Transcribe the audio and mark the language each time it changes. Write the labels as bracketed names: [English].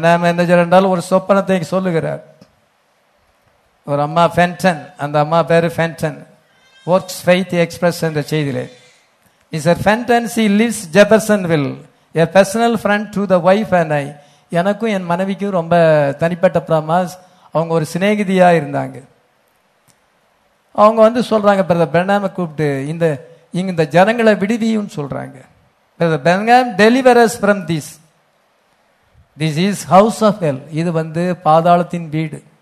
[Tamil] என்ன சொல்றால், ஒரு சொப்பனத்தை சொல்லுகிறார். ஒரு அம்மா ஃபென்டன், அந்த அம்மா பேரு ஃபென்டன், ஒர்க்ஸ் ஃபெய்த் எக்ஸ்பிரஸ் என்ற செய்தியிலே. [English] Mr. Fenton, she lives Jeffersonville, a personal friend to the wife and I. [Tamil] எனக்கும் என் மனைவிக்கும் ரொம்ப தனிப்பட்ட பிரமாஸ். அவங்க ஒரு சிநேகிதியாக இருந்தாங்க. அவங்க வந்து சொல்கிறாங்க, பிரதர் பிரணாம கூப்பிட்டு இந்த இங்கே இந்த ஜனங்களை விடுவியும்னு சொல்கிறாங்க. [English] brother பிரணாம் delivers from this, this is house of hell, [Tamil] இது வந்து பாதாளத்தின் வீடு.